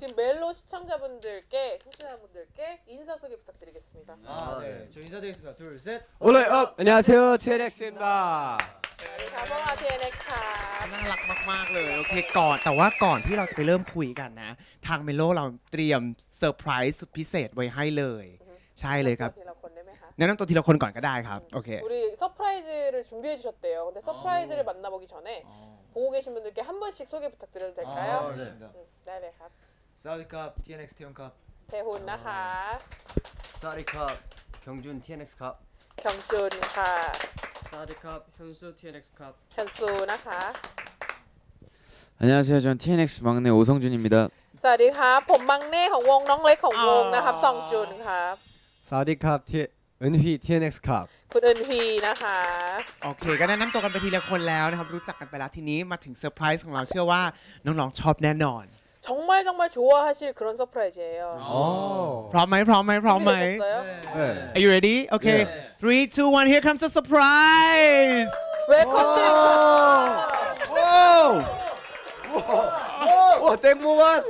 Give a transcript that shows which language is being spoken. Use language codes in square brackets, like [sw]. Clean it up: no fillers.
[ko] ชื่อเมโล시청자분들께청취자분들께인사소개부탁드리겠습니다 아네저인사드리겠습니다2 3 올라이업안녕하세요 TNX 입니다 [th] สวัสดีค่ะพวกเรา TNX ค่ะ น่ารักมากๆเลยโอเคก่อนแต่ว่าก่อนที่เราจะไปเริ่มคุยกันนะทางเมโลเราเตรียมเซอร์ไพรส์สุดพิเศษไว้ให้เลยใช่เลยครับแนะนำตัวทีละคนก่อนก็ได้ครับโอเค [ko] 우리เซอร์ไพรส์를준비해주셨대요근데เซอร์ไพรส์를만나보기전에보고계신분들께한번씩소개부탁드려도될까요 네네 네 [th] 캅สวัสดีครับ TNX 태훈ครับ 태훈นะคะ สวัสดีครับ경준 TNX ครับ 경준ค่ะ สวัสดีครับ현수 TNX ครับ 현수นะคะ [ko] 안녕하세요저는 TNX 막내 오성준입니다 [th] สวัสดีครับผมมังเน่ของวงน้องเล็กของวงนะครับซองจุนครับ สวัสดีครับเอ็นพี TNX ครับ คุณเอ็นพีนะคะ โอเคก็แนะนำตัวกันไปทีละคนแล้วนะครับรู้จักกันไปแล้วทีนี้มาถึงเซอร์ไพรส์ของเราเชื่อว่าน้องๆชอบแน่นอน [ko] 정말정말좋아하실그런서프라이즈예요 [th] พร้อมไหมพร้อมไหมพร้อมไหม [en] Are you ready? Okay. 3 2 1 here comes the surprise. Welcome. Wow. Wow. Wow. Wow. 땡모만